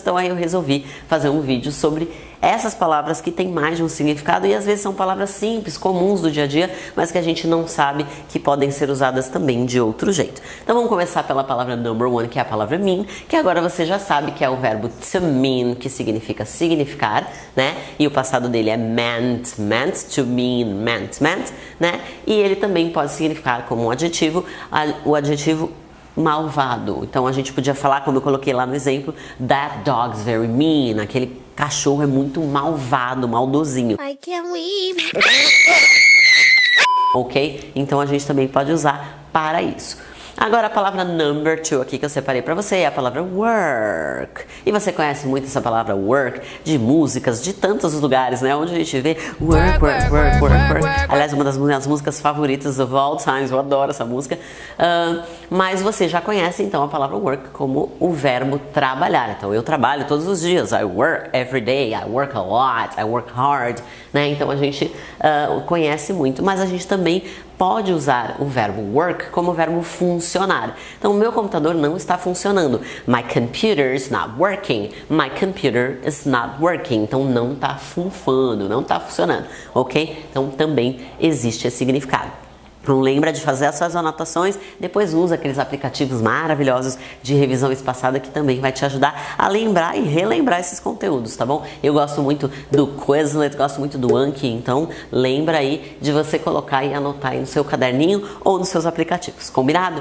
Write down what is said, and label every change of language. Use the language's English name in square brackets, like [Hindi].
[Portuguese] Então aí eu resolvi fazer um vídeo sobre essas palavras que têm mais de um significado e às vezes são palavras simples, comuns do dia a dia, mas que a gente não sabe que podem ser usadas também de outro jeito. Então vamos começar pela palavra [English] number one, [Portuguese] que é a palavra mean, que agora você já sabe que é o verbo to mean, que significa significar, né? E o passado dele é meant, meant, to mean, meant, meant, né? E ele também pode significar como um adjetivo, o adjetivo malvado. Então a gente podia falar, como eu coloquei lá no exemplo, [English] that dog's very mean, [Portuguese] aquele cachorro é muito malvado, maldosinho. [English] I can't leave. Ok? [Portuguese] Então a gente também pode usar para isso. Agora a palavra [English] number two [Portuguese] aqui que eu separei para você é a palavra work. E você conhece muito essa palavra work de músicas, de tantos lugares, né? Onde a gente vê work, work, work, work, work. Aliás, uma das minhas músicas favoritas [English] of all times, [Portuguese] eu adoro essa música. Mas você já conhece então a palavra work como o verbo trabalhar. Então eu trabalho todos os dias. [English] I work every day. I work a lot. I work hard, [Portuguese] né? Então a gente conhece muito, mas a gente também pode usar o verbo work como verbo funcionar. Então, meu computador não está funcionando. [English] My computer is not working. My computer is not working. [Portuguese] Então, não está funfando, não está funcionando. Ok? Então, também existe esse significado. Então, lembra de fazer as suas anotações, depois usa aqueles aplicativos maravilhosos de revisão espaçada que também vai te ajudar a lembrar e relembrar esses conteúdos, tá bom? Eu gosto muito do Quizlet, gosto muito do Anki, então lembra aí de você colocar e anotar aí no seu caderninho ou nos seus aplicativos, combinado?